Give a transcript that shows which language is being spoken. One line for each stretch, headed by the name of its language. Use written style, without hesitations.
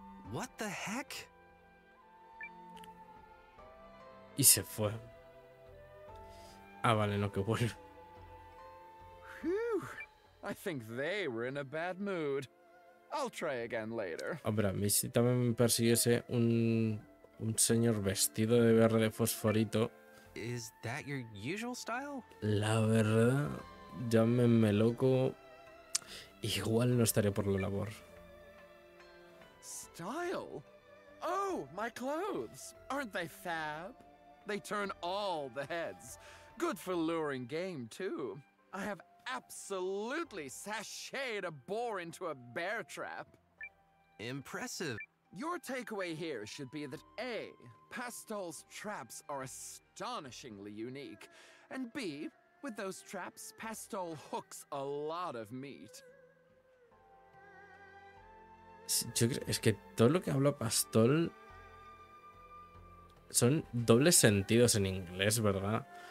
English: What the heck?
Spanish: Y se fue. Ah, vale, no, que vuelve.
English: Whew. I think they were in a bad mood. I'll try again later.
Spanish: Hombre, a mí si también me persiguiese un señor vestido de verde fosforito.
English: Is that your usual style?
Spanish: La verdad, llámeme loco. Igual no estaría por la labor.
English: Style? Oh, my clothes. Aren't they fab? They turn all the heads. Good for luring game, too. I have absolutely sashayed a boar into a bear trap. Impressive. Your takeaway here should be that A, Pastol's traps are astonishingly unique, and B, with those traps, Pastol hooks a lot of meat.
Spanish: Yo creo, es que todo lo que habla Pastol son dobles sentidos en inglés, ¿verdad?